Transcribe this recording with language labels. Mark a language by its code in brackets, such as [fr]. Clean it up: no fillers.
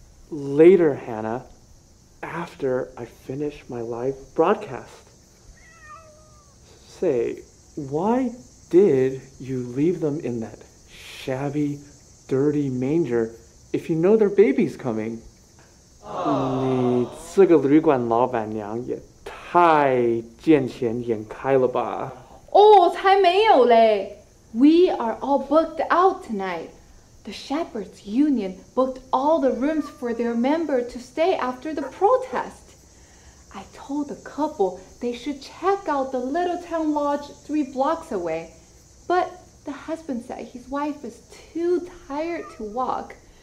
[en] Later, Hannah, after I finish my live broadcast. Say, why did you leave them in that shabby, dirty manger if you know their baby's coming? [zh] 你这个旅馆老板娘也太见钱眼开了吧。哦，才没有嘞。 [en] We are all booked out tonight. The Shepherds Union booked all the rooms for their member to stay after the protest. I told the couple they should check out the Little Town Lodge 3 blocks away. But the husband said his wife is too tired to walk.